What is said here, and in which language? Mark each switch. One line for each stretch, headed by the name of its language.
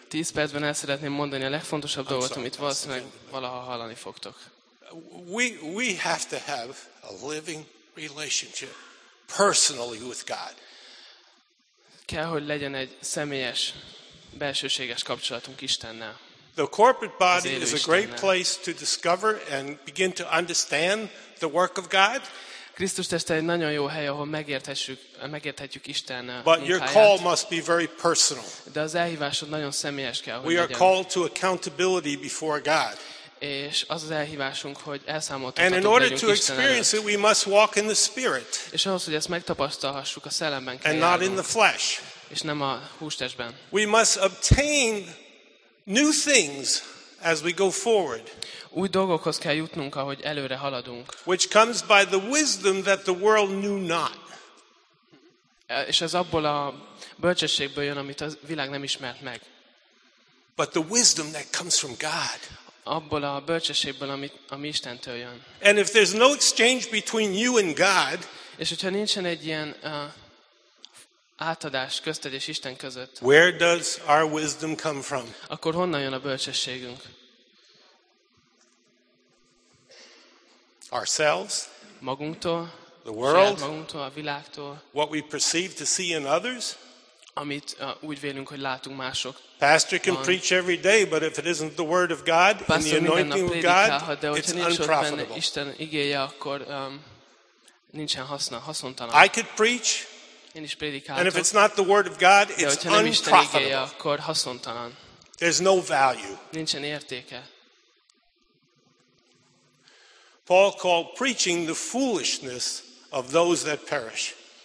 Hungarian: 10 percben el szeretném mondani a legfontosabb dolgot, amit valószínűleg valaha hallani fogtok.
English: We have to have a living relationship personally with God.
Hungarian: Kell, hogy legyen egy személyes, belsőséges kapcsolatunk Istennel.
English: The corporate body is a great place to discover and begin to understand the work of God.
Hungarian: Krisztus teste egy nagyon jó hely, ahol megérthetjük Isten munkáját.
English: But your call must be very personal.
Hungarian: De az elhívásod nagyon személyes kell, hogy legyen.
English: We are called to accountability before God.
Hungarian: És az az elhívásunk, hogy elszámoltatunk Isten előtt.
English: And in order to experience it, we must walk in the Spirit.
Hungarian: És ahhoz, hogy ezt megtapasztalhassuk, a szellemben kell járnunk.
English: And not in the flesh.
Hungarian: És nem a hústestben.
English: We must obtain new things as we go forward.
Hungarian: Új dolgokhoz kell jutnunk, ahogy előre haladunk.
English: Which comes by the wisdom that the world knew not.
Hungarian: És ez abból a bölcsességből jön, amit a világ nem ismert meg.
English: But the wisdom that comes from God.
Hungarian: Abból a bölcsességből, ami Istentől jön.
English: And if there's no exchange between you and God.
Hungarian: És hogyha nincsen egy ilyen átadás közted és Isten között.
English: Where does our wisdom come from?
Hungarian: Akkor honnan jön a bölcsességünk?
English: ourselves,
Hungarian: magunktól,
English: the world,
Hungarian: magunktól, a világtól,
English: what we perceive to see in others.
Hungarian: Amit úgy vélünk, hogy látunk mások.
English: Pastor can preach every day, but if it isn't the word of God and the anointing of God, it's unprofitable.
Hungarian: Isten igéje, akkor nincsen haszna, haszontalan.
English: I could preach,
Hungarian: én is prédikálhatok,
English: and if it's not the word of God, it's unprofitable.
Hungarian: Isten igéje, akkor haszontalan.
English: There's no value.
Hungarian: Nincsen értéke.
English: Paul called preaching the foolishness of those that perish.